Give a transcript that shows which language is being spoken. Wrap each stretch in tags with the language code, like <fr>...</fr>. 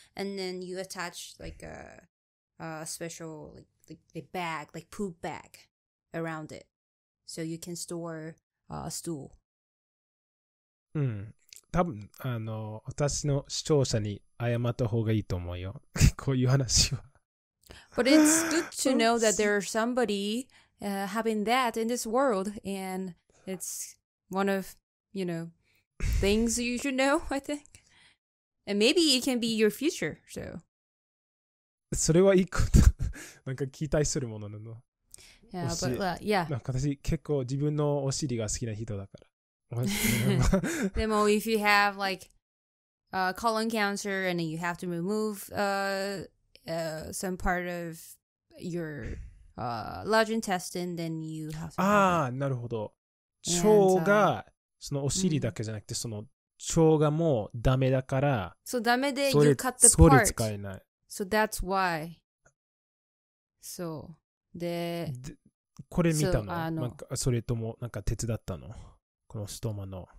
<en>And then you attach like a special, like a bag, like poop bag around it. So you can store a stool.</en> <ja>うん。多分あの私の視聴者に謝った方がいいと思うよ。こういう話は。</ja> <en>But it's good to know that there's somebody having that in this world, and it's one of you know things you should know, I think. And maybe it can be your future. So.</en> <ja>それはいいこと。なんか期待するものなの。</ja> <en>Yeah, but yeah.</en> <ja>私結構自分のお尻が好きな人だから。でも</ja> <en>if you have like colon cancer and you have to remove some part of your large intestine, then you have to.</en> <ja>ああ、なるほど。腸がそのお尻だけじゃなくて、その腸がもうダメだから。</ja> <en>So</en> <ja>ダメで</ja> <en>you cut the part.</en> <ja>それ使えない。</ja> <en>So that's why. So.</en> <ja>でこれ見たの、なんかそれともなんか手伝ったのこのストーマの</ja>